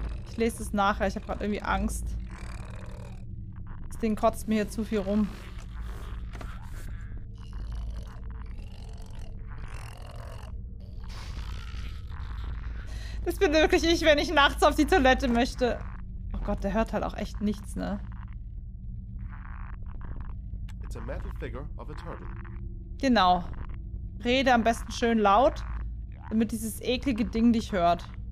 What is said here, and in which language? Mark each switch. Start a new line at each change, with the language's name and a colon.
German: Ich lese es nachher, ich habe gerade irgendwie Angst. Das Ding kotzt mir hier zu viel rum. Das bin wirklich ich, wenn ich nachts auf die Toilette möchte. Oh Gott, der hört halt auch echt nichts, ne?
English: It's a metal figure of a turtle.
German: Genau. Rede am besten schön laut, damit dieses eklige Ding dich hört.